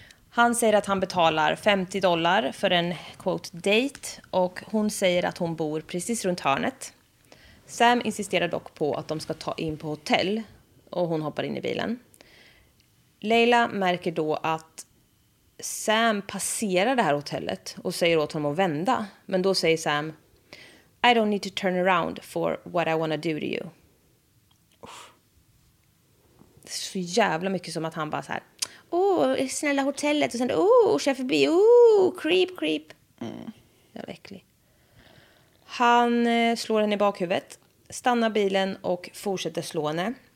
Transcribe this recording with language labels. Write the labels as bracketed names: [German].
[Swedish] Han säger att han betalar $50 för en quote date. Och hon säger att hon bor precis runt hörnet. Sam insisterar dock på att de ska ta in på hotell. Och hon hoppar in i bilen. Leila märker då att Sam passerar det här hotellet. Och säger åt honom att vända. Men då säger Sam, [English] I don't need to turn around for what I want to do to you. [Swedish] Så jävla mycket som att han bara så här, åh, snälla hotellet. Och sen, åh, chef förbi. Åh, creep, creep. Mm. Jävla äcklig. Han slår henne i bakhuvudet. Stannar bilen och fortsätter slå henne.